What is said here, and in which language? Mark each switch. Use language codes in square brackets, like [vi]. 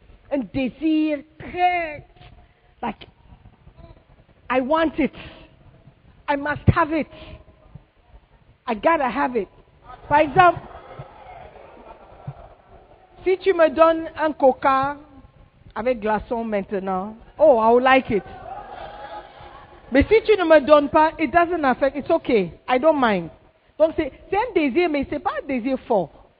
[fr] Un désir très... [en] Like, I want it. I must have it. I gotta have it. [fr] Par exemple, si tu me donnes un coca avec glaçon maintenant, [en] oh, I would like it. [fr] Mais si tu ne me donnes pas, [en] it doesn't affect, it's okay. I don't mind. [fr] Donc, c'est un désir, mais ce n'est pas un désir fort.